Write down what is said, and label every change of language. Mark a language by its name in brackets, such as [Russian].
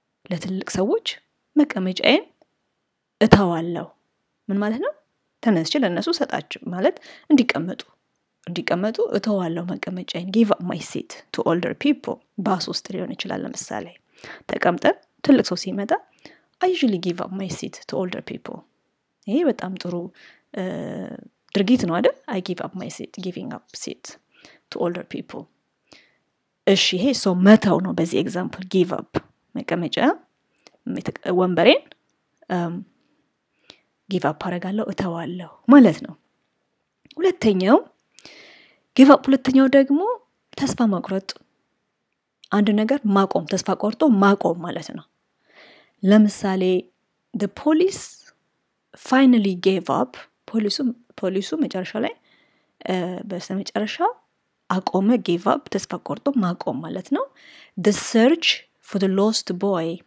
[Amharic] ለትልቅ ሰዎች መቀመጫዬን እተዋለሁ። ምን ማለት ነው? ተነስቼ ለነሱ ሰጣችሁ ማለት እንዲቀመጡ እተዋለሁ መቀመጫዬን [English] give up my seat to older people [Amharic] ባስ ውስጥ ሊሆን ይችላል ለምሳሌ ተቀምጠን ትልቅ ሰው ሲመጣ [English] I usually give up my seat to older people. [Amharic] ይሄ በጣም ጥሩ ድርጊት ነው አይደል? [English] I give up my seat giving up seat to older people. [Amharic] እሺ ሄ ሶ መተው ነው በዚህ ኤግዛምፕል give up መቀመጫ ወንበሬን give up አረጋለሁ እተዋለሁ ማለት ነው። ሁለተኛው give up ሁለተኛው ደግሞ ተስፋ መቁረጥ አንድ ነገር ማቆም ተስፋ ቆርጦ ማቆም ማለት ነው። ለምሳሌ [English] the police finally gave up. [Amharic] ፖሊሱ መጨረሻ ላይ በስተመጨረሻ አቆመ, gave up, ተስፋ ቆርጦ ማቆም ማለት ነው. [English] The search for the lost boy.